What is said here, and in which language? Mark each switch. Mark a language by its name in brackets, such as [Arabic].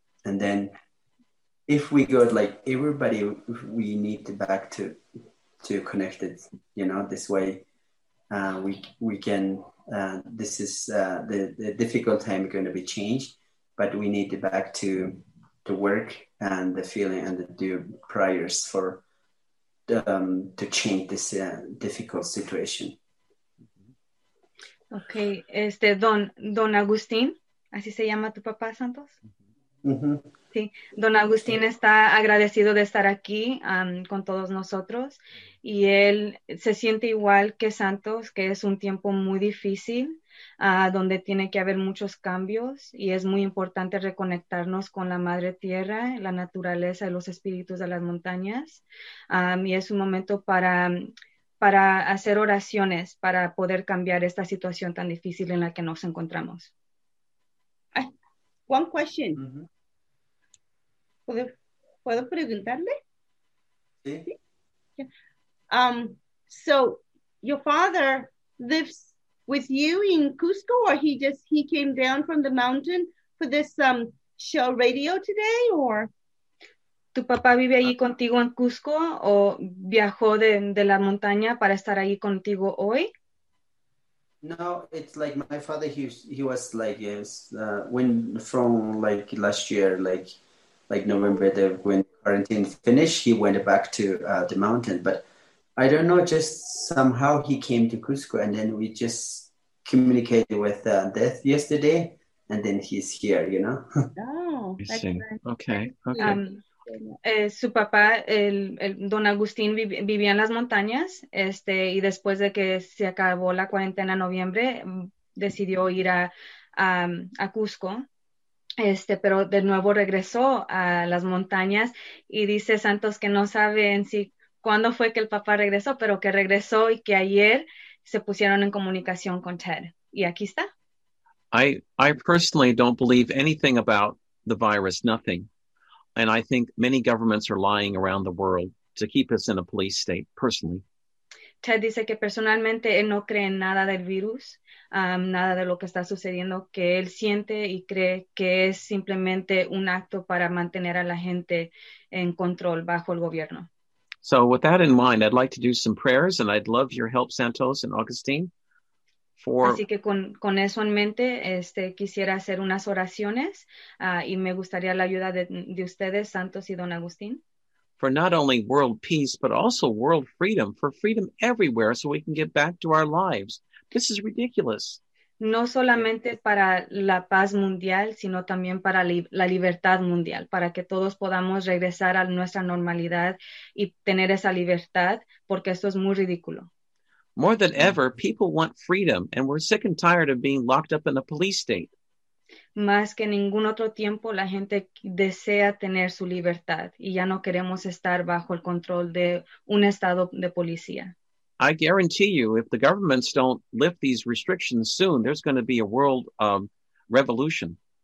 [English] And then if we go like everybody, we need to back to connect it, you know, this way we can, this is the difficult time going to be changed, but we need to back to work and the feeling and the do prayers for to change this difficult situation. [Spanish] Okay, Don Agustín, así se llama tu papá, Santos. Mm-hmm. Sí, Don Agustín está agradecido de estar aquí con todos nosotros, y él se siente igual que Santos, que es un tiempo muy difícil, donde tiene que haber muchos cambios, y es muy importante reconectarnos con la madre tierra, la naturaleza y los espíritus de las montañas, y es un momento para hacer oraciones para poder cambiar esta situación tan difícil en la que nos encontramos. [English] One question. Mm-hmm. [Spanish] ¿Puedo preguntarle? Sí. [English] Yeah. So your father lives with you in Cusco, or he came down from the mountain for this show radio today, or? [Spanish] ¿Tu papá vive allí contigo en Cusco o viajó de la montaña para estar allí contigo hoy? [English] No, it's like my father, he was like, yes, when from like last year, like November, when quarantine finished, he went back to the mountain. But I don't know, just somehow he came to Cusco, and then we just communicated with Death yesterday, and then he's here, you know? Oh, I see. Okay. [Spanish] Su papá, el don Agustín, vivía en las montañas, y después de que se acabó la cuarentena en noviembre, decidió ir a Cusco, pero de nuevo regresó a las montañas, y dice Santos que no sabe en sí cuándo fue que el papá regresó, pero que regresó y que ayer se pusieron en comunicación con Ted. Y aquí está. [English] I personally don't believe anything about the virus, nothing. And I think many governments are lying around the world to keep us in a police state, personally. [Spanish] Ted dice que personalmente él no cree en nada del virus, nada de lo que está sucediendo, que él siente y cree que es simplemente un acto para mantener a la gente en control bajo el gobierno. [English] So with that in mind, I'd like to do some prayers, and I'd love your help, Santos and Augustine. [Spanish] Así que con eso en mente, quisiera hacer unas oraciones, y me gustaría la ayuda de ustedes, Santos y Don Agustín. [English] For not only world peace, but also world freedom, for freedom everywhere so we can get back to our lives. This is ridiculous. [Spanish] No solamente para la paz mundial, sino también para la libertad mundial, para que todos podamos regresar a nuestra normalidad y tener esa libertad, porque esto es muy ridículo. [English] More than ever, people want freedom, and we're sick and tired of being locked up in a police state. [Spanish] Más que ningún otro tiempo, la gente desea tener su libertad, y ya no queremos estar bajo el control de un estado de policía. [English] I guarantee you, if the governments don't lift these restrictions soon, there's going to be a world revolution.